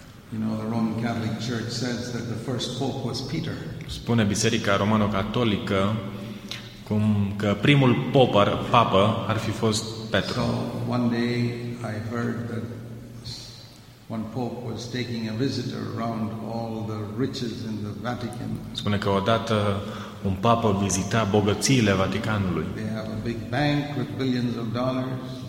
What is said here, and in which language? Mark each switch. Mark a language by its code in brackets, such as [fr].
[en] You know, the Roman Catholic Church says that the first pope was Peter. [ro] Spune Biserica Romano-Catolică cum că primul pop papă ar fi fost Petru. [en] So one day I heard that one pope was taking a visitor around all the riches in the Vatican. [ro] Spune că odată un papă vizita bogățiile Vaticanului. [en] They have a big bank with billions of dollars.